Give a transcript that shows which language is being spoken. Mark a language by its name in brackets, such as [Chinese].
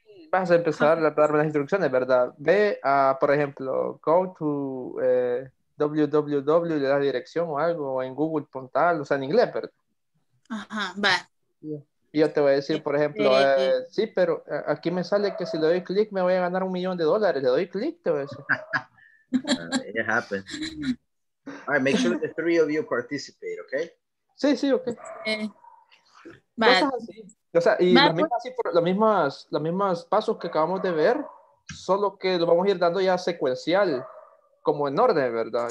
[Spanish] Vas a empezar a darme las instrucciones, ¿verdad? Ve a, por ejemplo, go to www, le das dirección o algo, o en Google, puntal, o sea, en inglés, ¿verdad? Ajá, va. Y yo te voy a decir, por ejemplo, sí, pero aquí me sale que si le doy clic me voy a ganar $1,000,000. Le doy clic, te voy a decir. [English] It happens. All right, make sure the three of you participate, okay? [Spanish] Sí, ok. Va. O sea, y los mismos pasos que acabamos de ver, solo que lo vamos a ir dando ya secuencial, como en orden, ¿verdad?